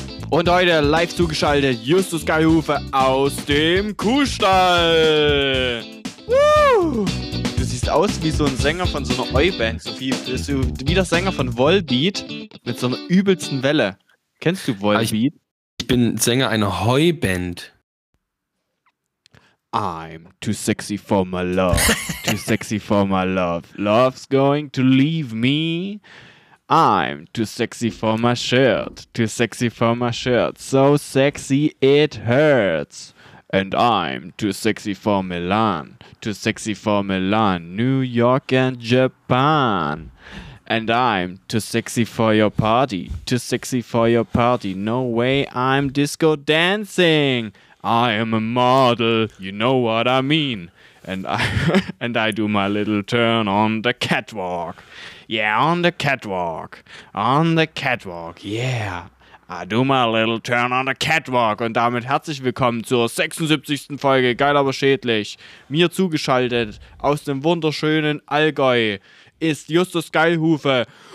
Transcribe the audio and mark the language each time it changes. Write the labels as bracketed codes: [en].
[de] Und heute live zugeschaltet Justus Geilhufe aus dem Kuhstall. Du siehst aus wie so ein Sänger von so einer Oi-Band, so wie der Sänger von Volbeat mit so einer übelsten Welle. Kennst du Volbeat? Ich bin Sänger einer Heuband. [en] I'm too sexy for my love, too sexy for my love. Love's going to leave me. I'm too sexy for my shirt, too sexy for my shirt. So sexy it hurts. And I'm too sexy for Milan, too sexy for Milan, New York and Japan. And I'm too sexy for your party, too sexy for your party. No way I'm disco dancing. I am a model, you know what I mean. And I do my little turn on the catwalk. Yeah, on the catwalk. On the catwalk, yeah. I do my little turn on the catwalk. [de] Und damit herzlich willkommen zur 76. Folge Geil, aber schädlich. Mir zugeschaltet aus dem wunderschönen Allgäu ist Justus Geilhufe.